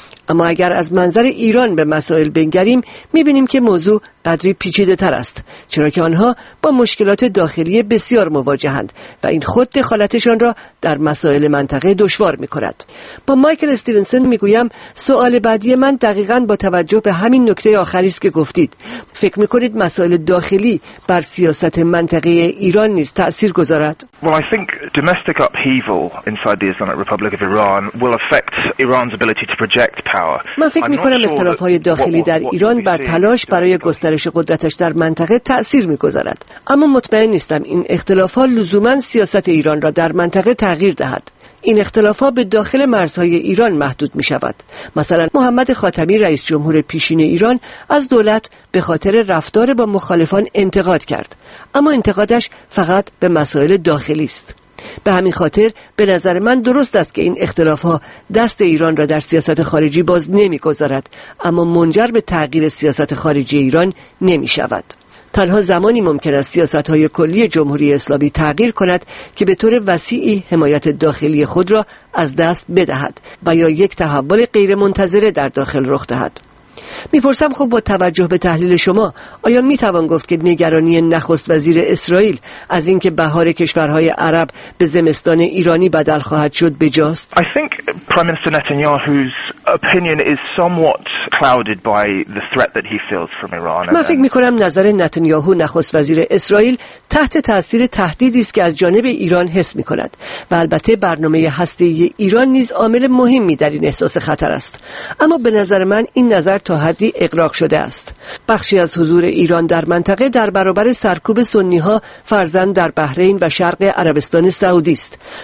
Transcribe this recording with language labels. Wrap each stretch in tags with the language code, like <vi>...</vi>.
<fa>اما اگر از منظر ایران به مسائل بنگریم، می‌بینیم که موضوع قدری پیچیده‌تر است، چرا که آنها با مشکلات داخلی بسیار مواجهند و این خود دخالتشان را در مسائل منطقه دشوار می‌کند. با مایکل استیونسن می‌گویم سوال بعدی من دقیقاً با توجه به همین نکته آخری است که گفتید. فکر می‌کنید مسائل داخلی بر سیاست منطقه ایران نیز تأثیر گذارد؟</fa> <en>Well, I think domestic upheaval inside the Islamic Republic of Iran will affect Iran's ability to project.</en> <fa>من فکر می‌کنم اختلاف‌های داخلی در ایران بر تلاش برای گسترش قدرتش در منطقه تأثیر می‌گذارد، اما مطمئن نیستم این اختلاف‌ها لزوماً سیاست ایران را در منطقه تغییر دهد. این اختلاف‌ها به داخل مرزهای ایران محدود می‌شود. مثلا محمد خاتمی رئیس جمهور پیشین ایران از دولت به خاطر رفتار با مخالفان انتقاد کرد، اما انتقادش فقط به مسائل داخلی است. به همین خاطر به نظر من درست است که این اختلاف‌ها دست ایران را در سیاست خارجی باز نمی‌گذارد، اما منجر به تغییر سیاست خارجی ایران نمی‌شود. تنها زمانی ممکن است سیاست‌های کلی جمهوری اسلامی تغییر کند که به طور وسیعی حمایت داخلی خود را از دست بدهد و یا یک تحول غیرمنتظره در داخل رخ دهد. میپرسم خب با توجه به تحلیل شما، آیا میتوان گفت که نگرانی نخست وزیر اسرائیل از اینکه بهار کشورهای عرب به زمستان ایرانی بدل خواهد شد بجاست؟</fa> <en>I think Prime Minister Netanyahu's opinion is somewhat clouded by the threat that he feels from Iran.</en> <fa>من فکر میکنم نظر نتانیاهو نخست وزیر اسرائیل تحت تاثیر تهدیدی است که از جانب ایران حس میکند و البته برنامه هسته‌ای ایران نیز عامل مهمی در این احساس خطر است. اما به نظر من این نظر تا حدی اغراق شده است. بخشی از حضور ایران در منطقه در برابر سرکوب سنی‌ها فرزند در بحرین و شرق عربستان سعودی است.</fa>